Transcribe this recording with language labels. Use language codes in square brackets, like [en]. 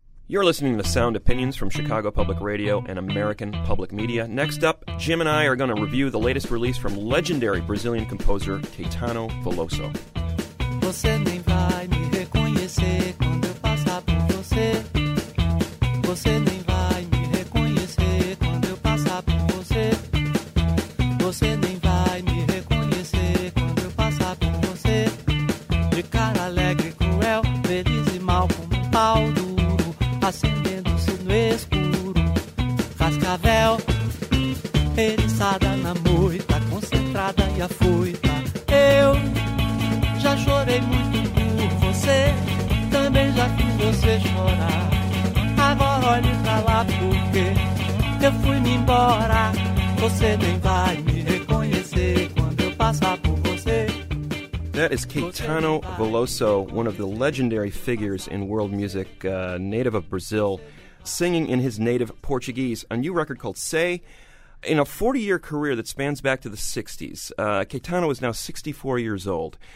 [en] You're listening to Sound Opinions from Chicago Public Radio and American Public Media. Next up, Jim and I are going to review the latest release from legendary Brazilian composer Caetano Veloso. [pt] Você nem vai me reconhecer quando eu passar por você. Você nem vai me reconhecer quando eu passar por você. Você nem vai me reconhecer quando eu passar por você. De cara alegre, cruel, feliz e mal como um pau. Acendendo-se no escuro, cascavel, eriçada na moita, concentrada e afoita. Eu já chorei muito por você, também já fiz você chorar. Agora olhe pra lá porque eu fui-me embora. Você nem vai me reconhecer quando eu passar por você. [en] That is Caetano Veloso, one of the legendary figures in world music, native of Brazil, singing in his native Portuguese. A new record called Say. In a 40-year career that spans back to the 60s, Caetano is now 64 years old.